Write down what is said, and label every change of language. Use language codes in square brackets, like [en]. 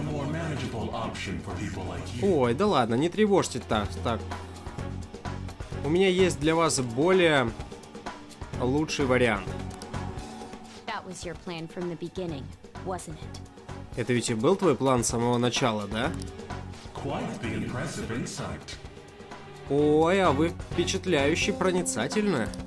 [ru] 300 000 йен. Ой, да ладно, не тревожьте так, так. У меня есть для вас более лучший вариант. [en] That was your plan from the beginning, wasn't it? [ru] Это ведь и был твой план с самого начала, да? [en] Quite the impressive insight. [ru] Ой, а вы впечатляюще проницательны.